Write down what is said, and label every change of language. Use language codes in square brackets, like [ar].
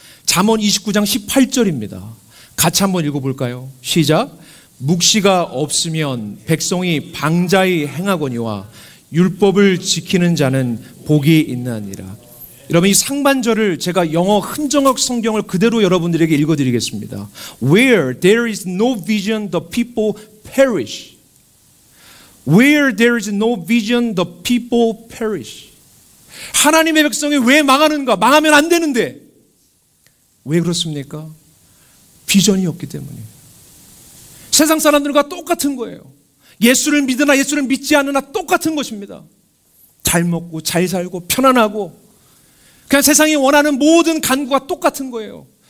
[ko] 잠언 29장 18절입니다. 같이 한번 읽어볼까요? 시작. 묵시가 없으면 백성이 방자히 행하거니와 율법을 지키는 자는 복이 있나니라. 여러분 이 상반절을 제가 영어 흔정학 성경을 그대로 여러분들에게 읽어드리겠습니다. [en] Where there is no vision, the people perish. Where there is no vision, the people perish. [ko] 하나님의 백성이 왜 망하는가? 망하면 안 되는데. 왜 그렇습니까? 비전이 없기 때문이에요. 세상 사람들과 똑같은 거예요. 예수를 믿으나 예수를 믿지 않으나 똑같은 것입니다. 잘 먹고 잘 살고 편안하고 그냥 세상이 원하는 모든 간구가 똑같은 거예요.